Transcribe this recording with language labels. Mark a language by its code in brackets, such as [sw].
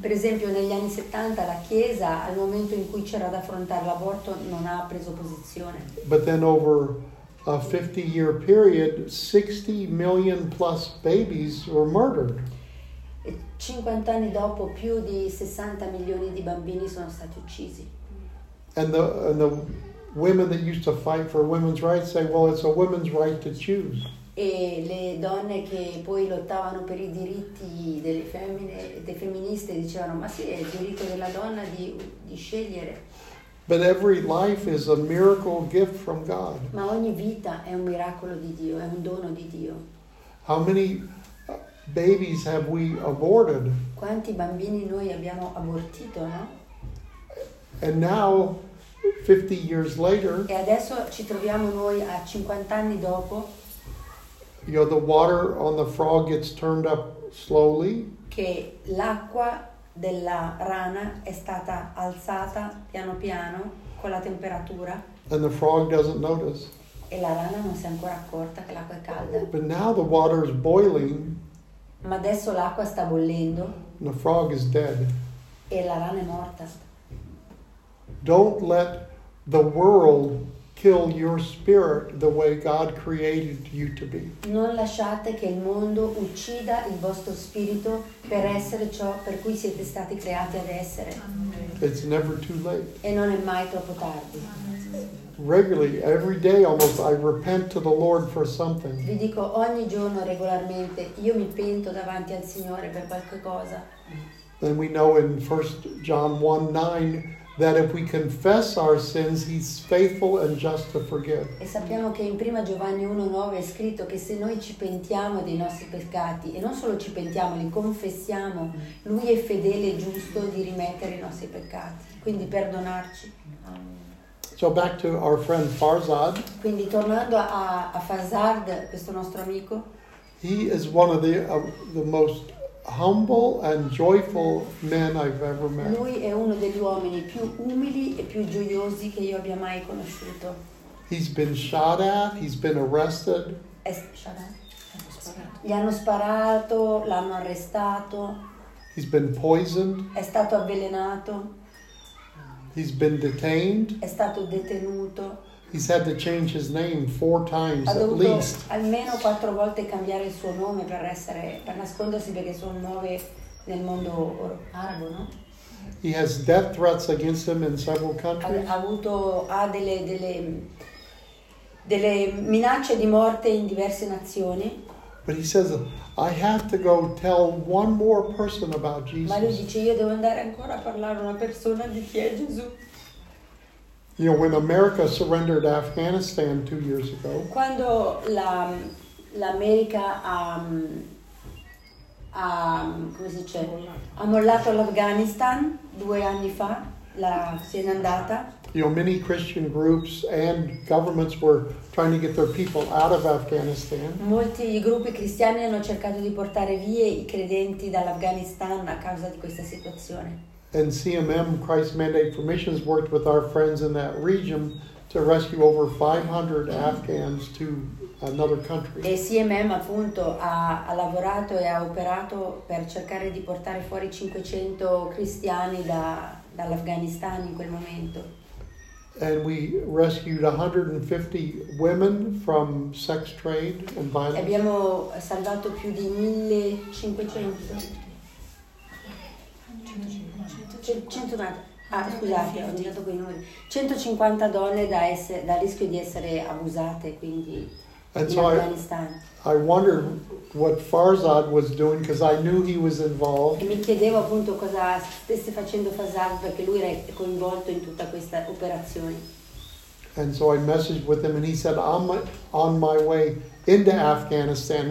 [it] Per esempio, negli anni 70, la Chiesa, al momento in cui c'era da affrontare l'aborto, non ha preso posizione. [en] But then over a 50-year period, 60 million plus babies were murdered. [it] 50 anni dopo, più di 60 milioni di bambini sono stati uccisi. [en] And the women that used to fight for women's rights say, well, it's a woman's right to choose. [it] E le donne che poi lottavano per i diritti delle femmine, dei femministe, dicevano, ma sì, è il diritto della donna di scegliere. [en] But every life is a miracle gift from God. [it] Ma ogni vita è un miracolo di Dio, è un dono di Dio. [en] How many babies have we aborted? [it] Quanti bambini noi abbiamo abortito, no? [en] And now, 50 years later, [it] e adesso ci troviamo noi a 50 anni dopo. [en] You know, the water on the frog gets turned up slowly. [it] Che l'acqua della rana è stata alzata piano piano con la temperatura. [en] And the frog doesn't notice. [it] E la rana non si è ancora accorta che l'acqua è calda. [en] But now the water is boiling. [it] Ma adesso l'acqua sta bollendo. [en] And the frog is dead. [it] E la rana è morta. [en] Don't let the world kill your spirit the way God created you to be. [it] Non lasciate che il mondo uccida il vostro spirito per essere ciò per cui siete stati creati ad essere. [en] It's never too late. [it] E non è mai troppo tardi. [en] Regularly, every day almost, I repent to the Lord for something. [it] Vi dico ogni giorno regolarmente, io mi pento davanti al Signore per qualche cosa. [en] Then we know in 1 John 1:9 that if we confess our sins, He's faithful and just to forgive. [it] E sappiamo che in 1 Giovanni 1:9 è scritto che se noi ci pentiamo dei nostri peccati, e non solo ci pentiamo, li confessiamo, Lui è fedele e giusto di rimettere i nostri peccati, quindi perdonarci. [en] So back to our friend Farzad. [it] Quindi tornando a Farzad, questo nostro amico. [en] He is one of the most humble and joyful men I've ever met. [it] Lui è uno degli uomini più umili e più gioiosi che io abbia mai conosciuto. [en] He's been shot at, he's been arrested. [it] È [en] shot at? [it] Sparato. Gli hanno sparato, l'hanno arrestato. [en] He's been poisoned. [it] È stato avvelenato. [en] He's been detained. [it] È stato detenuto. [en] He's had to change his name 4 times at least. [it] Ha dovuto almeno 4 volte cambiare il suo nome per nascondersi perché sono 9 nel mondo arabo, no? [en] He has death threats against him in several countries. [it] Ha delle minacce di morte in diverse nazioni. [en] But he says, I have to go tell one more person about Jesus. [it] Ma lui dice, io devo andare ancora a parlare a una persona di chi è Gesù. [en] You know, when America surrendered Afghanistan 2 years ago. [it] Quando l'America ha mollato l'Afghanistan 2 anni fa, se n'è andata. [en] You know, many Christian groups and governments were trying to get their people out of Afghanistan. [it] Molti gruppi cristiani hanno cercato di portare via i credenti dall'Afghanistan a causa di questa situazione. [en] And CMM, Christ Mandate for Missions, worked with our friends in that region to rescue over 500 Afghans to another country. [it] E CMM appunto ha lavorato e ha operato per cercare di portare fuori 500 cristiani dall'Afghanistan in quel momento. [en] And we rescued 150 women from sex trade and violence. [it] E abbiamo salvato più di 1500. scusate, ho dato quei numeri. 150 donne da essere, da rischio di essere abusate, quindi [en] and in so Afghanistan. I wonder what Farzad was doing because I knew he was involved. [it] E mi chiedevo appunto cosa stesse facendo Farzad perché lui era coinvolto in tutta questa operazione. [en] And so I messaged with him and he said, I'm on my way into Afghanistan.